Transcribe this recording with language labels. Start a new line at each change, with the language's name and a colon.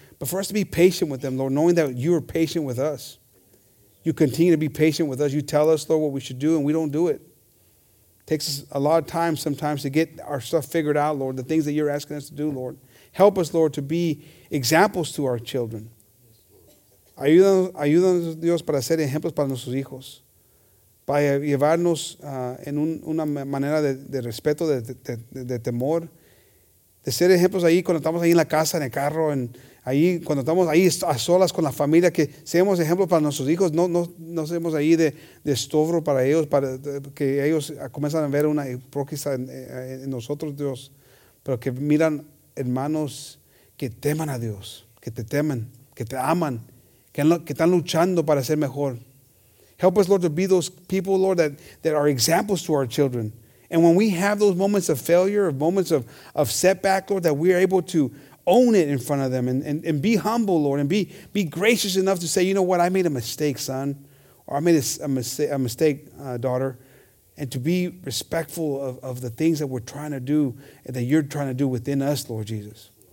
English: But for us to be patient with them, Lord, knowing that you are patient with us. You continue to be patient with us. You tell us, Lord, what we should do and we don't do it. Takes us a lot of time sometimes to get our stuff figured out, Lord, the things that you're asking us to do, Lord. Help us, Lord, to be examples to our children.
Spanish: Ayúdanos, Dios, para ser ejemplos para nuestros hijos, para llevarnos en una manera de respeto, de temor, de ser ejemplos ahí cuando estamos ahí en la casa, en el carro, ahí cuando estamos ahí a solas con la familia, que seamos ejemplos para nuestros hijos, no seamos ahí de estorbo para ellos, para que ellos comiencen a ver una hipócrita en nosotros, Dios, pero que miran hermanos que teman a Dios, que te temen, que te aman, que están luchando para ser mejor.
English: Help us, Lord, to be those people, Lord, that are examples to our children. And when we have those moments of failure, moments of setback, Lord, that we are able to own it in front of them and be humble, Lord, and be gracious enough to say, you know what, I made a mistake, son, or I made a mistake, daughter, and to be respectful of the things that we're trying to do and that you're trying to do within us, Lord Jesus.